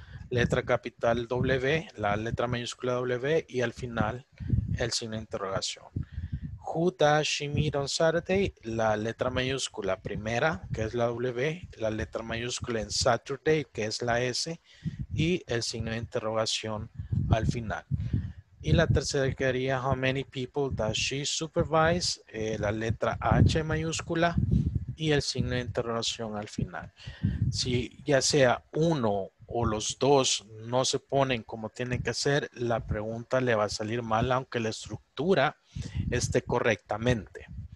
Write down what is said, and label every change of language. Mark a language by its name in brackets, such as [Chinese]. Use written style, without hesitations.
[Spanish] Letra capital W, la letra mayúscula W, y al final el signo de interrogación. [English] Who does she meet on Saturday? [Spanish] La letra mayúscula primera, que es la W, la letra mayúscula en Saturday, que es la S, y el signo de interrogación al final. Y la tercera quería, [English] how many people does she supervise? [Spanish] La letra H mayúscula y el signo de interrogación al final. Si ya sea uno o los dos no se ponen como tienen que hacer, la pregunta le va a salir mal, aunque la estructura esté correctamente.